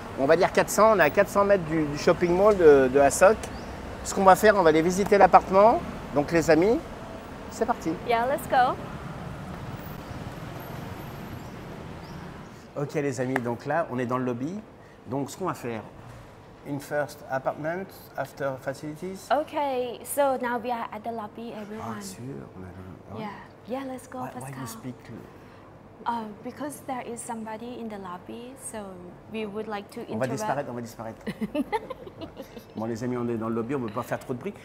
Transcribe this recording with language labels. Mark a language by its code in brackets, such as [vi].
[fr] On va dire 400. On est à 400 mètres du shopping mall de Asok. Ce qu'on va faire, on va aller visiter l'appartement. Donc, les amis, c'est parti. [en] Yeah, let's go. [fr] Ok, les amis, donc là, on est dans le lobby. Donc, ce qu'on va faire, [en] in first apartment, after facilities. Ok, so now we are at the lobby, everyone. [fr] Ah, sûr. [en] Yeah, let's go, Pascal. Why do you speak? Because there is somebody in the lobby, so we would like to interrupt. [fr] On va disparaître. Bon, les amis, on est dans le lobby, on ne veut pas faire trop de bruit.